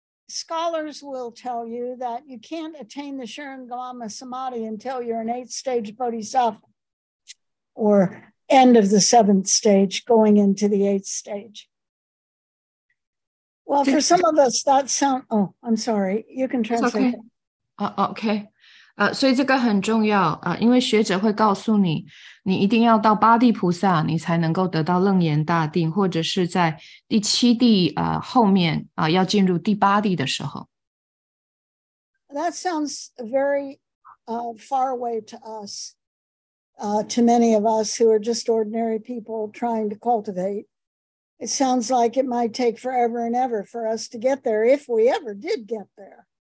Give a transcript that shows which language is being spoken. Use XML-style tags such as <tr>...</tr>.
<en>Scholars will tell you that you can't attain the Shurangama Samadhi until you're an eighth stage bodhisattva or end of the seventh stage going into the eighth stage. Well, for some of us, that sounds... Oh, I'm sorry. You can translate. Okay.</en> <zh>所以这个很重要因为学者会告诉你你一定要到八地菩萨你才能够得到楞严大定或者是在第七地后面要进入第八地的时候。</zh> <en>That sounds very far away to us, to many of us who are just ordinary people trying to cultivate. It sounds like it might take forever and ever for us to get there if we ever did get there.</en>